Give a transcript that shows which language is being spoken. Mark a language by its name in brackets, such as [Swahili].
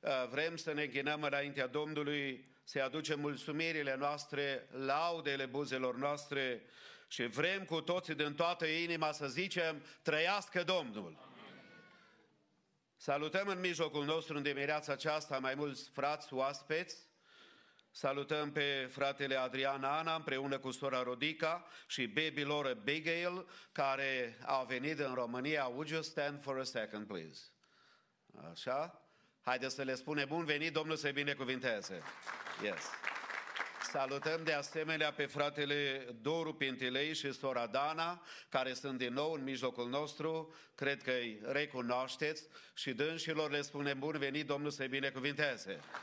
[Romanian] Vrem să ne închinăm înaintea Domnului, să-i aducem mulțumirile noastre, laudele buzelor noastre și vrem cu toții din toată inima să zicem: Trăiască Domnul! Salutăm în mijlocul nostru în dimineața aceasta mai mulți frați oaspeți. Salutăm pe fratele Adrian Ana împreună cu sora Rodica și baby Laura Bigail, care au venit în România. [English] Would you stand for a second, please? [Romanian] Așa? Haideți să le spunem bun venit, Domnul să-i binecuvinteze. Yes. Salutăm de asemenea pe fratele Doru Pintilei și sora Dana, care sunt din nou în mijlocul nostru. Cred că îi recunoașteți și dânșilor le spunem bun venit, Domnul să-i binecuvinteze.